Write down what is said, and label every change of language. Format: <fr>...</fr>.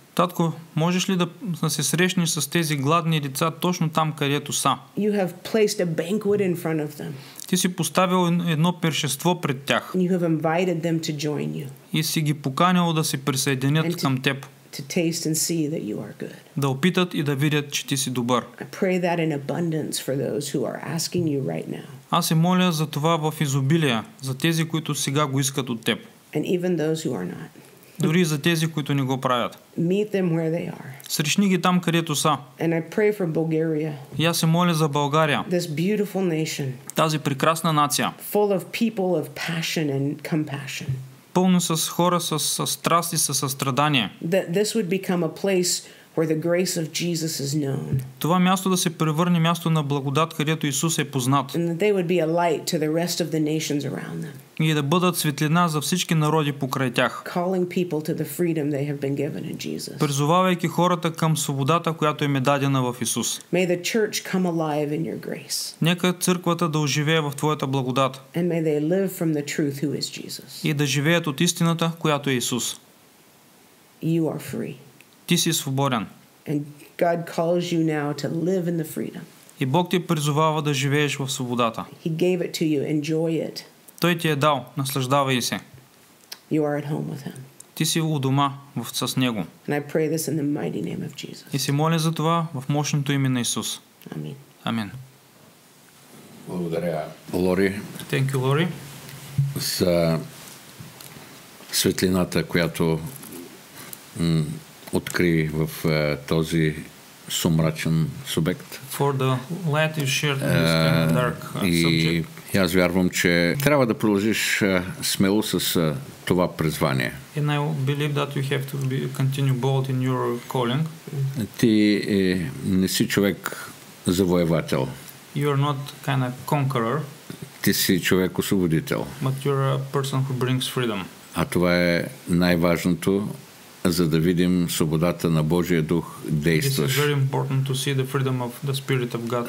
<bg>Татко, можеш ли да се срещнеш с тези гладни деца точно там, където са?</bg> <en>You have placed a banquet in front of them.</en> <bg>Ти си поставил едно пиршество пред тях.</bg> <en>And you have invited them to join you.</en> <bg>И си ги поканил да се присъединят към теб.</bg> <en>To taste and see that you are good.</en> <bg>Да опитат и да видят, че ти си добър.</bg> <en>I pray that in abundance for those who are asking you right now.</en> <bg>Аз се моля за това в изобилие, за тези, които сега го искат от теб.</bg> <en>And even those who are not.</en> <bg>Дори за тези, които не го правят.</bg> <en>Meet them where they are.</en> <bg>Срещни ги там, където са.</bg> <en>And I pray for Bulgaria.</en> <bg>И аз се моля за България.</bg> <en>This beautiful nation.</en> <bg>Тази прекрасна нация.</bg> <en>Full of people of passion and compassion.</en> <bg>Пълно с хора с страст и със състрадание.</bg> <en>That this would become a place where the grace of Jesus is known.</en> <bg>Това място да се превърне място на благодат, където Исус е познат.</bg> <en>And that they would be a light to the rest of the nations around them.</en> <bg>И да бъдат светлина за всички народи покрай тях.</bg> <en>Calling people to the freedom they have been given in Jesus.</en> <bg>Призовавайки хората към свободата, която им е дадена в Исус.</bg> <en>May the church come alive in your grace.</en> <bg>Нека църквата да оживее в твоята благодат.</bg> <en>And may they live from the truth who is Jesus.</en> <bg>И да живеят от истината, която е Исус.</bg> <en>You are free.</en> <bg>Ти си свободен.</bg> <en>And God calls you now to live in the freedom.</en> <bg>И Бог те призовава да живееш в свободата.</bg> <en>He gave it to you. Enjoy it.</en> <bg>Той ти е дал. Наслаждавай се.</bg> <en>You are at home with him.</en> <bg>Ти си у дома с Него.</bg> <en>And I pray this in the mighty name of Jesus.</en> <bg>И се моля за това в мощното име на Исус. Амин. Амин. Благодаря, Лори.</bg> <en>Thank you, Лори.</en> <bg>За светлината, която откри в този сумрачен субект.</bg> <en>For the light you shared this kind of dark subject.</en> <bg>И аз вярвам, че трябва да продължиш смело с това призвание.</bg> <en>And I believe that you have to continue bold in your calling.</en> <bg>Ти не си човек завоевател.</bg> <en>You are not kind of conqueror.</en> <bg>Ти си човек освободител.</bg> <en>But you're a person who brings freedom.</en> <bg>А това е най-важното, за да видим свободата на Божия Дух действащ.</bg> <en>It's very important to see the freedom of the Spirit of God</en>